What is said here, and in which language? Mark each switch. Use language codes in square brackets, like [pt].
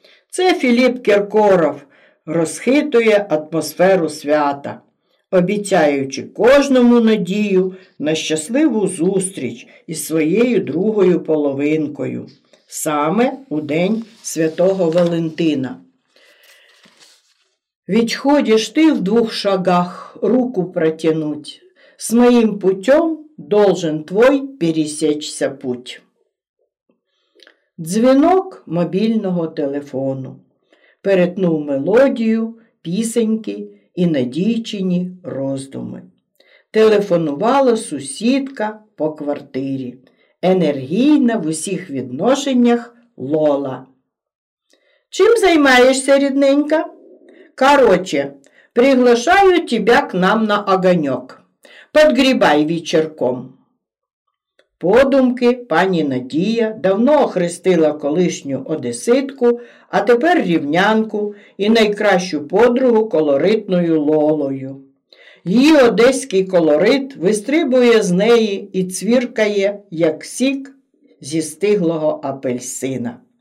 [uk] Це Філіп Кіркоров розхитує атмосферу свята, обіцяючи кожному Надію на щасливу зустріч із своєю другою половинкою, саме у день Святого Валентина. [ru] «Відходиш ти в двух шагах, руку протянуть, с моїм путем должен твой пересечься путь». [uk] Дзвінок мобільного телефону перетнув мелодію, пісеньки і надійчині роздуми. Телефонувала сусідка по квартирі, енергійна в усіх відношеннях Лола. «Чим займаєшся, рідненька?» [ru] «Короче, приглашаю тебя к нам на огонек. [uk] Подгрібай вечірком». Подумки пані Надія давно охрестила колишню одеситку, а тепер рівнянку і найкращу подругу колоритною Лолою. Її одеський колорит вистрибує з неї і цвіркає, як сік зі стиглого апельсина.